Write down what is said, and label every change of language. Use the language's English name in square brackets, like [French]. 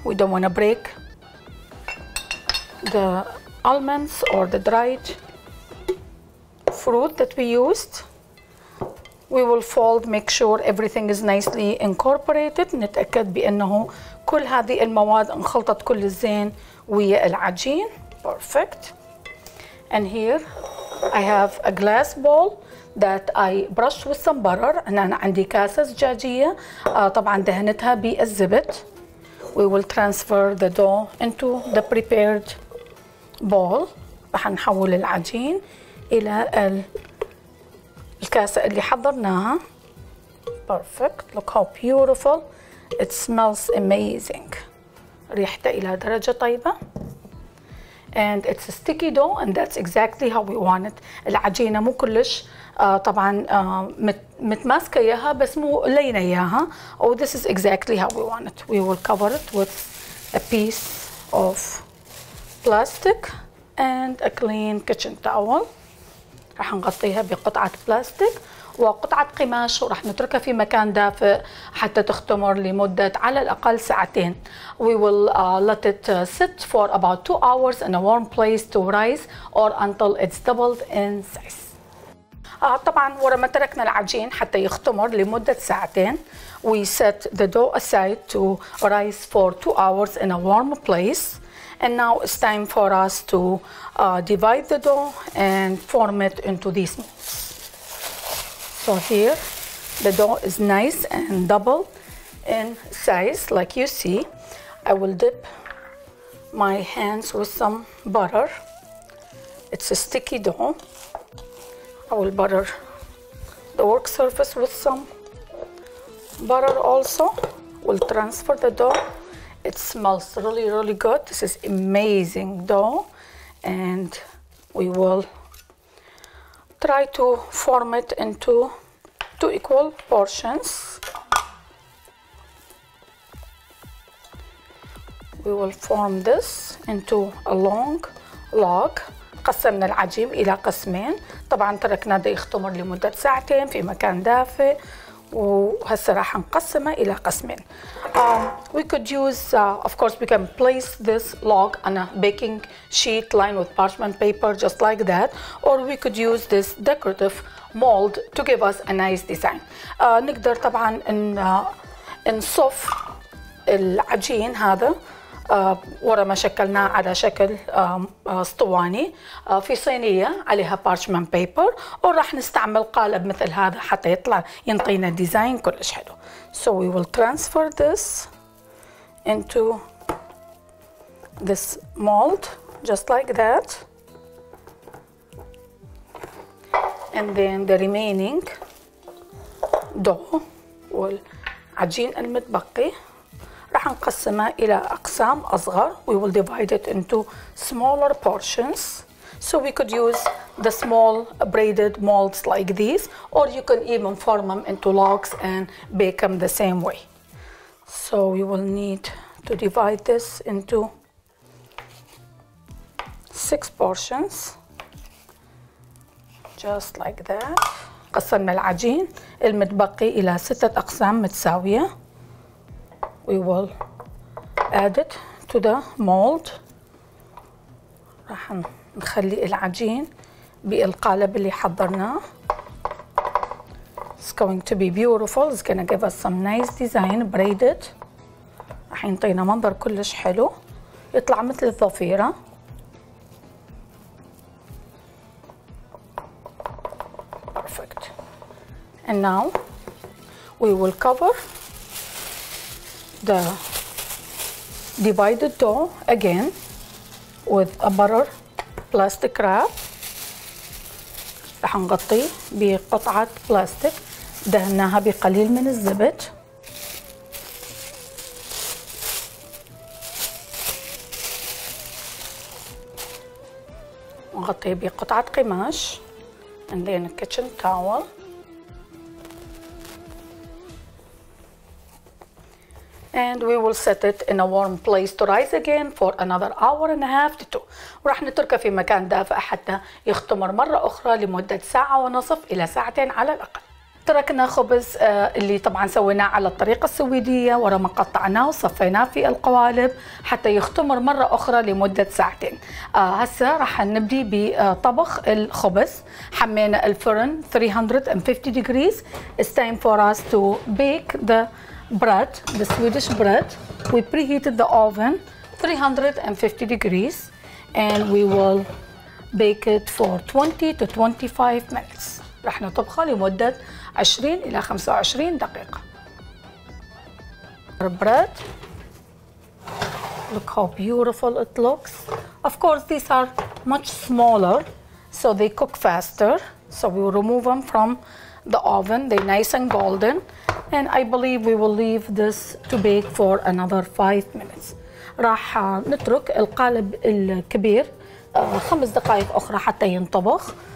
[English] We don't want to break the almonds or the dried fruit that we used. We will fold, make sure everything is nicely incorporated. [Arabic] نتأكد بأنه كل هذه المواد انخلطت كل الزين ويا العجين. [English] Perfect. And here I have a glass bowl that I brushed with some butter. And then [Arabic] عندي كاسة زجاجية طبعا دهنتها بالزبد. [English] We will transfer the dough into the prepared bowl. [Arabic] رح نحول العجين إلى الكاسة اللي حضرناها. [English] Perfect. Look how beautiful. It smells amazing. [Arabic] ريحته إلى درجة طيبة. [English] And it's a sticky dough, and that's exactly how we want it. [Arabic] العجينة مو كلش طبعا متماسكة إياها، بس مو لينة إياها. [English] Oh, this is exactly how we want it. We will cover it with a piece of plastic and a clean kitchen towel. [Arabic] رح نغطيها بقطعة بلاستيك وقطعة قماش، ورح نتركها في مكان دافئ حتى تختمر لمدة على الأقل ساعتين. [English] We will let it sit for about 2 hours in a warm place to rise or until it's doubled in size. [Arabic] طبعا ورا ما تركنا العجين حتى يختمر لمدة ساعتين. [English] We set the dough aside to rise for 2 hours in a warm place. And now it's time for us to divide the dough and form it into these molds. So here, the dough is nice and double in size, like you see. I will dip my hands with some butter. It's a sticky dough. I will butter the work surface with some butter also. We'll transfer the dough It smells really, really good. This is amazing dough. And we will try to form it into two equal portions. We will form this into a long log. [Arabic] قسمنا العجين إلى قسمين. طبعا تركنا ده يختمر لمدة ساعتين في مكان دافئ. وهسه راح نقسمه إلى قسمين. [English] We could use, of course, we can place this log on a baking sheet lined with parchment paper, just like that. Or we could use this decorative mold to give us a nice design. [Arabic] نقدر طبعا نصف العجين هذا ورا ما شكلناه على شكل اسطواني في صينية عليها parchment paper، وراح نستعمل قالب مثل هذا حتى يطلع ينطينا ديزاين كلش حلو. [English] So we will transfer this into this mold just like that. And then the remaining dough [Arabic] والعجين المتبقي راح نقسمها إلى أقسام أصغر. [English] We will divide it into smaller portions. So we could use the small braided molds like these, or you can even form them into logs and bake them the same way. So we will need to divide this into 6 portions. Just like that. [Arabic] قسمنا العجين المتبقي إلى 6 أقسام متساوية. [English] We will add it to the mold. [Arabic] راح نخلي العجين بالقالب اللي حضرناه. [English] It's going to be beautiful. It's gonna give us some nice design braided. [Arabic] راح ينطينا منظر كلش حلو. يطلع مثل الضفيرة. [English] Perfect. And now we will cover the divided dough again with a butter plastic wrap. [Arabic] راح نغطي بقطعة بلاستيك دهناها بقليل من الزبد. نغطي بقطعة قماش [English] and then a kitchen towel. And we will set it in a warm place to rise again for another hour and a half to two. [Arabic] وراح نتركه في مكان دافئ حتى يختمر مرة أخرى لمدة ساعة ونصف إلى ساعتين على الأقل. تركنا خبز اللي طبعا سويناه على الطريقة السويدية ورا ما قطعناه وصفيناه في القوالب حتى يختمر مرة أخرى لمدة ساعتين. هسا راح نبدي بطبخ الخبز. حمينا الفرن 350 degrees. [English] It's time for us to bake the bread, the Swedish bread. We preheated the oven 350 degrees and we will bake it for 20 to 25 minutes. [Arabic] راح نطبخه لمدة 20 إلى 25 دقيقة. [English] Our bread. Look how beautiful it looks. Of course these are much smaller so they cook faster. So we will remove them from the oven. They're nice and golden. And I believe we will leave this to bake for another 5 minutes. [Arabic] راح نترك القالب الكبير 5 دقائق أخرى حتى ينطبخ.